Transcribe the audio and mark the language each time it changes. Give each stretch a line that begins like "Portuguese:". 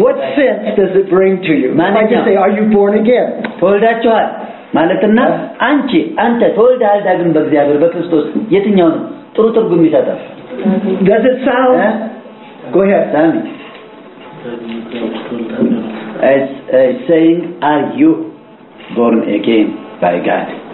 English: What sense does it bring to you? Manage to say are you born again?
Amharic: Toldachwal. ማለትና አንቺ አንተ ተወልደሃል ዳግም በእግዚአብሔር በክርስቶስ የትኛው ነው ጥሩ ትርጉም ይሰጣል
English: Does it sound Go ahead Sammy I'm saying are you born again by God